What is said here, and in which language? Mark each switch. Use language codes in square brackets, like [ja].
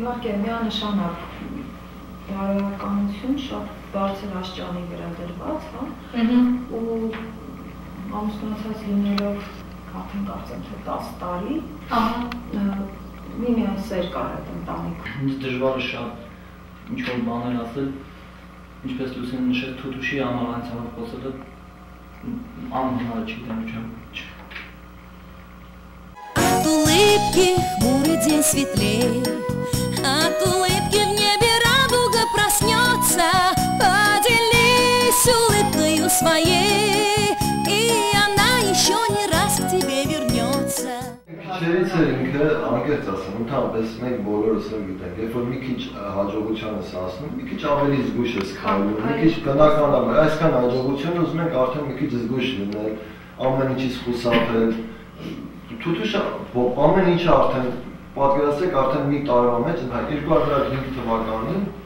[hy] Իհարկե, միանշանակ բարոյականություն շատ բարձր աստիճանի վրա դրված, հա՞, ու ամուսնացած լինելով արդեն կարծեմ թե 10 տարի, ահա, միմյան սեր կար այդ ընտանիքում։ Ինձ դժվար է շատ ինչ-որ բաներ ասել, ինչպես Լուսին նշեց, թութուշի համար այն ցավը խոսելը անհնար չի, դեմ չեմ։ [ru] От улыбки хмурый день светлей, от улыбки в небе радуга проснется. Поделись улыбкою своей, и она еще не раз к тебе вернется. [hy] Չերից է ինքը անգերծ ասում, ընդհանրապես մենք բոլորս էլ գիտենք, երբ որ մի քիչ հաջողությանը ասում, մի քիչ ավելի զգույշ ես քայլում, մի քիչ բնականաբար, այսքան հաջողությունը ուզում ենք արդեն մի քիչ զգույշ լինել, ամեն ինչից խուսափել, թութուշը ամեն ինչը արդեն պատկերացրեք արդեն մի տարվա մեջ, 2005 թվականին